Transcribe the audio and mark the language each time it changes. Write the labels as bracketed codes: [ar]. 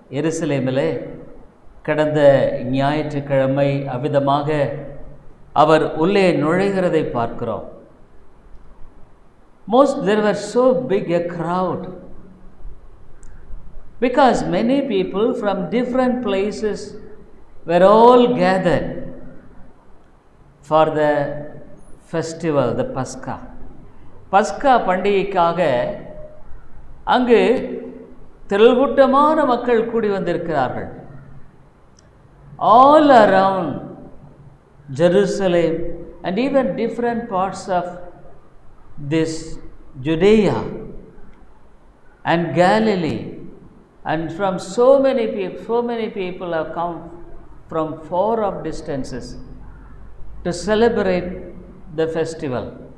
[ta] எருசலேமிலே கடந்த ஞாயிற்றுக்கிழமை அவ்விதமாக அவர் உள்ளே நுழைகிறதை பார்க்கிறோம். [en] Most there were so big a crowd because many people from different places were all gathered for the festival, the Pascha. [ta] பஸ்கா பண்டிகைக்காக அங்கு திரள்கூட்டமான மக்கள் கூடி வந்திருக்கிறார்கள். [en] All around Jerusalem and even different parts of this Judea and Galilee and from so many people have come from far off distances to celebrate the festival.